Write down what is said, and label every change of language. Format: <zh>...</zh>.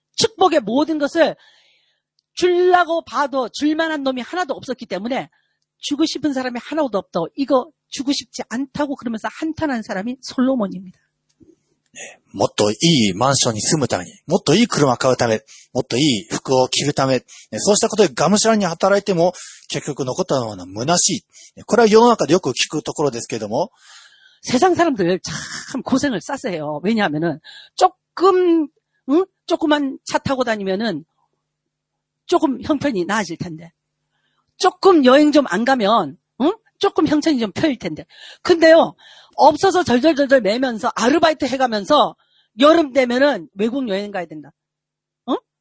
<ko>축복의 모든 것을 주려고 봐도 줄만한 놈이 하나도 없었기 때문에 주고 싶은 사람이 하나도 없다고 이거 주고 싶지 않다고 그러면서 한탄한 사람이 솔로몬입니다.</ko> <ja>네, もっといいマンションに住むために、もっといい服を着るため、もっといい服を着るため、そうしたことでがむしゃらに働いても結局残ったのは虚しい。これは世の中でよく聞くところですけども、</ja> <ko>세상 사람들 참 고생을 싸세요. 왜냐하면은 조금 응? 조금만 차 타고 다니면은 조금 형편이 나아질 텐데, 조금 여행 좀 안 가면 응? 조금 형편이 좀 편일 텐데. 근데요 없어서 절절절절 매면서 아르바이트 해가면서 여름 되면은 외국 여행 가야 된다. 응?</ko>